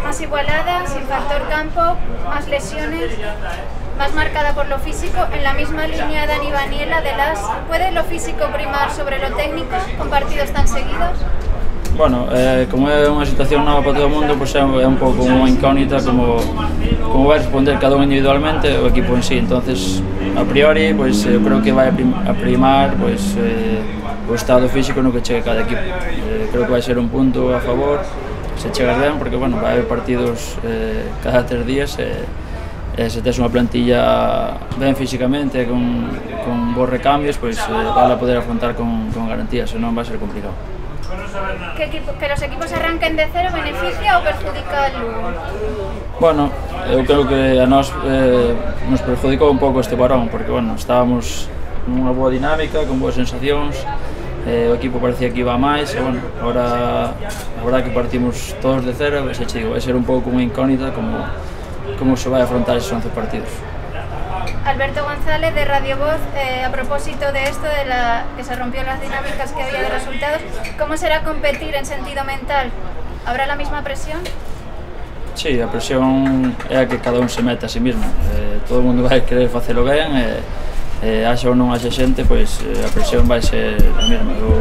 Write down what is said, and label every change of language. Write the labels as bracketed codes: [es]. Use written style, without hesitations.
[es] ¿Más igualada, sin factor campo, más lesiones, más marcada por lo físico? En la misma línea Dani Baniela de LAS, ¿puede lo físico primar sobre lo técnico con partidos tan seguidos? [gl] Bueno, como é unha situación nova para todo o mundo, pois é un pouco unha incógnita como vai responder cada un individualmente o equipo en sí. Entón, a priori, pois eu creo que vai a primar pois o estado físico no que chegue cada equipo. Creo que vai ser un punto a favor se chegas ben, porque bueno, vai haber partidos cada 3 días, se tens unha plantilla ben físicamente, con bons recambios, pois vale a poder afrontar con garantías, senón vai ser complicado. [es] Que los equipos arranquen de cero beneficia ou perjudica al Lugo? [gl] Bueno, eu creo que a nós nos perjudicou un pouco este parón, porque bueno, estábamos nunha boa dinámica, con boas sensacións, o equipo parecía que iba a máis, e bueno, agora a verdade que partimos todos de cero, e xa te digo, vai ser un pouco unha incógnita como se vai afrontar eses 11 partidos. [es] Alberto González de Radio Voz, a propósito de esto, de la que se rompió las dinámicas que había de resultados, ¿cómo será competir en sentido mental? ¿Habrá la misma presión? [gl] Sí, a presión é a que cada un se mete [es] a sí mismo. [gl] Todo o mundo vai querer facelo ben, haxa ou non haxa xente, pois a presión vai ser a mesma.